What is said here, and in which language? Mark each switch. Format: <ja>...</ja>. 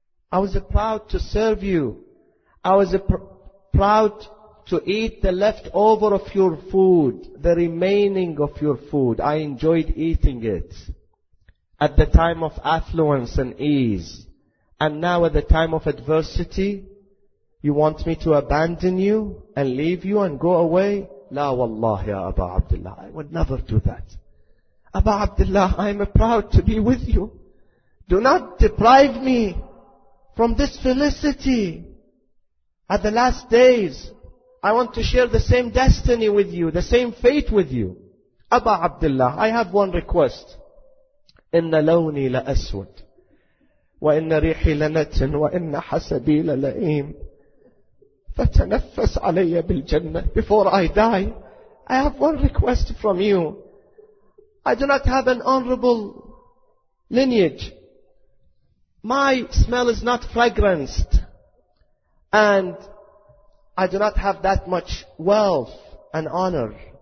<en>I was proud to serve you. I was proud to eat the leftover of your food, the remaining of your food. I enjoyed eating it at the time of affluence and ease. And now at the time of adversity, you want me to abandon you and leave you and go away?</en> <ar>لا والله يا أبا عبد الله,</ar> <en>I would never do that. أبا عبد الله, I am proud to be with you. Do not deprive me from this felicity. At the last days, I want to share the same destiny with you, the same fate with you. أبا عبد الله, I have one request.</en> <ar>إن لوني لأسود وإن ريحي لنت وإن حسبي للئيم فتنفس علي بالجنة.</ar> <en>Before I die, I have one request from you. I do not have an honorable lineage. My smell is not fragranced. And I do not have that much wealth and honor.</en>